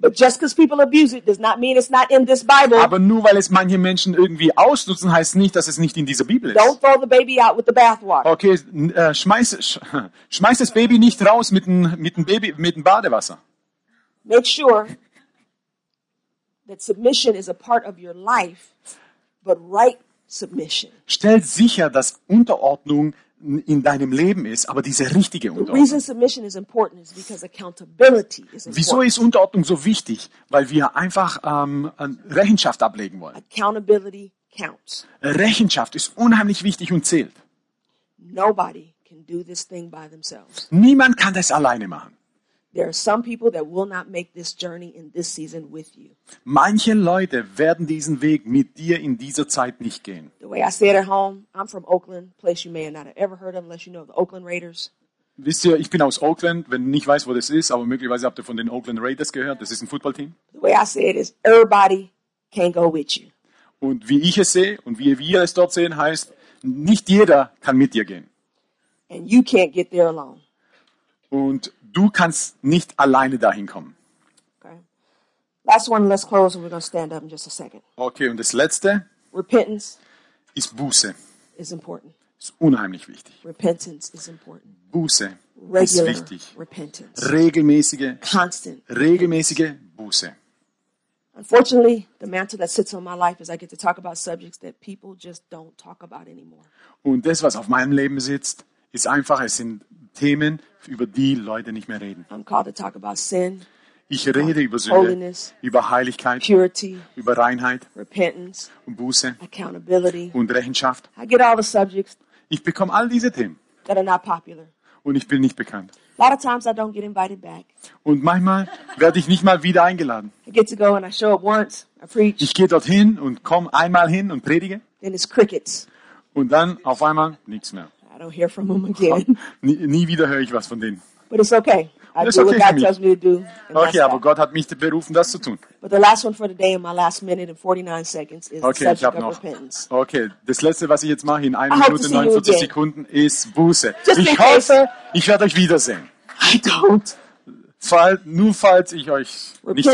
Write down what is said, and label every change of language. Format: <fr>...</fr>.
<en>But just because people abuse it does not mean it's not in this Bible.</en> <de>Aber nur weil es manche Menschen irgendwie ausnutzen, heißt nicht, dass es nicht in dieser Bibel ist.</de> <en>Don't throw the baby out with the bathwater.</en> <de>Okay, schmeiß das Baby nicht raus mit dem Badewasser.</de> <en>Make sure that submission is a part of your life, but right submission.</en> <de>Stell sicher, dass Unterordnung in deinem Leben ist, aber diese richtige Unterordnung.</de> <en>The reason submission is important is because accountability is important.</en> <de>Wieso ist Unterordnung so wichtig? Weil wir einfach Rechenschaft ablegen wollen.</de> <en>Accountability counts.</en> <de>Rechenschaft ist unheimlich wichtig und zählt.</de> <en>Nobody can do this thing by themselves.</en> <de>Niemand kann das alleine machen.</de> <en>There are some people that will not make this journey in this season with you.</en> <de>Manche Leute werden diesen Weg mit dir in dieser Zeit nicht gehen.</de> <en>The way I say it at home, I'm from Oakland, place you may not have ever heard of unless you know the Oakland Raiders.</en> <de>Wisst ihr, ich bin aus Oakland, wenn nicht weiß, wo das ist, aber möglicherweise habt ihr von den Oakland Raiders gehört, das ist ein Footballteam.</de> <en>The way I say it is everybody can go with you.</en> <de>Und wie ich es sehe und wie wir es dort sehen, heißt nicht jeder kann mit dir gehen.</de> <en>And you can't get there alone.</en> <de>Und du kannst nicht alleine dahin kommen.</de> <en>Okay. Last one, let's close and we're going to stand up in just a second.</en> <de>Okay, und das letzte.</de> <en>Repentance</en> <de>ist Buße.</de> <en>Is important.</en> <de>Ist unheimlich wichtig.</de> <en>Repentance is important.</en> <de>Buße</de> <en>regular</en> <de>ist wichtig.</de> <en>Repentance.</en> <de>Regelmäßige.</de> <en>Constant.</en> <de>Regelmäßige Buße.</de> <en>Unfortunately, the mantle that sits on my life is I get to talk about subjects that people just don't talk about anymore.</en> <de>Und das, was auf meinem Leben sitzt, ist einfach, es sind Themen, über die Leute nicht mehr reden.</de> <en>I'm called to talk about sin,</en> <de>ich rede über Sünde,</de> <en>holiness,</en> <de>über Heiligkeit,</de> <en>purity,</en> <de>über Reinheit,</de> <en>repentance,</en> <de>und Buße,</de> <en>accountability,</en> <de>und Rechenschaft.</de> <en>I get all the subjects,</en> <de>ich bekomme all diese Themen</de> <en>that are not popular.</en> <de>Und ich bin nicht bekannt.</de> <en>A lot of times I don't get invited back.</en> <de>Und manchmal werde ich nicht mal wieder eingeladen.</de> <en>I get to go and I show up once, I preach.</en> <de>Ich gehe dorthin und komme einmal hin und predige.</de> <en>Then it's crickets.</en> <de>Und dann auf einmal nichts mehr.</de> <en>I don't hear from them again.</en> <de>Nie wieder höre ich was von denen.</de> <en>But it's okay. I do what God tells me to do.</en> <de>Okay, aber Gott hat mich berufen, das zu tun.</de> <en>But the last one for the day in my last minute and 49 seconds is okay, the subject of repentance.</en> <de>Okay, das letzte, was ich jetzt mache in 1 Minute 49 Sekunden ist Buße.</de> <en>Just</en> <de>ich hoffe, ich werde euch wiedersehen.</de> <en>I don't.</en> <de>nur falls ich euch nicht sehe.</de>